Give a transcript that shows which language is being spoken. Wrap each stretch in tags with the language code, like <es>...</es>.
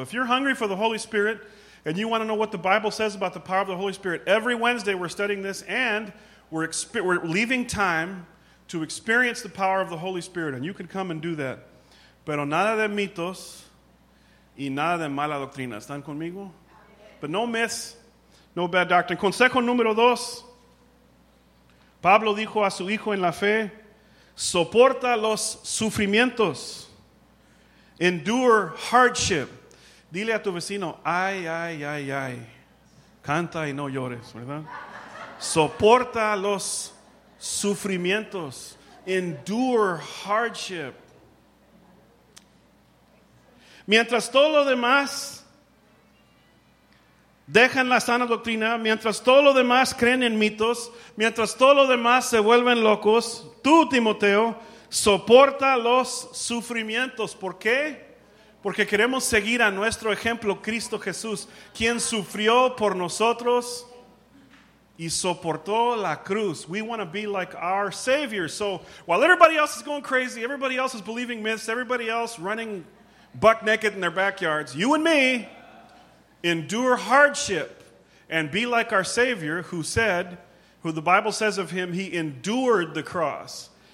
<en>If you're hungry for the Holy Spirit and you want to know what the Bible says about the power of the Holy Spirit, every Wednesday we're studying this and we're leaving time to experience the power of the Holy Spirit, and you can come and do that.</en> <es>Pero nada de mitos y nada de mala doctrina. ¿Están conmigo?</es> <en>But no myths, no bad doctrine.</en> <es>Consejo número dos. Pablo dijo a su hijo en la fe, Soporta los sufrimientos.</es> <en>Endure hardship.</en> <es>Dile a tu vecino, ay, ay, ay, ay. Canta y no llores, ¿verdad? Soporta los sufrimientos.</es> <en>Endure hardship.</en> <es>Mientras todo lo demás dejan la sana doctrina, mientras todo lo demás creen en mitos, mientras todo lo demás se vuelven locos, tú, Timoteo, soporta los sufrimientos. ¿Por qué? Porque queremos seguir a nuestro ejemplo, Cristo Jesús, quien sufrió por nosotros y soportó la cruz.</es> <en>We want to be like our Savior. So while everybody else is going crazy, everybody else is believing myths, everybody else running buck naked in their backyards, you and me endure hardship and be like our Savior who said, who the Bible says of him, he endured the cross.</en>